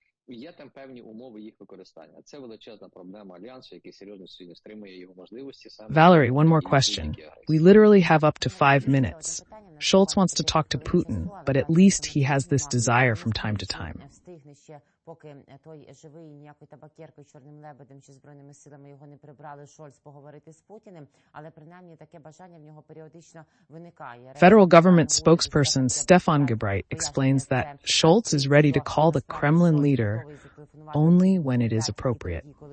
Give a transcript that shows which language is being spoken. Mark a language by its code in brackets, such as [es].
[uk] Є там певні умови їх використання. Це величезна проблема альянсу, який серйозно сьогодні стримує його можливості. [en] Valerie, one more question. We literally have up to 5 minutes. Scholz wants to talk to Putin, but at least he has this desire from time to time. [uk] поки той живий ніякою табакеркою, чорним лебедем чи збройними силами його не прибрали, Шольц поговорити з Путіним, але принаймні таке бажання в нього періодично виникає. [en] Federal government spokesperson Stefan Gebright explains that Scholz is ready to call the Kremlin leader only when it is appropriate.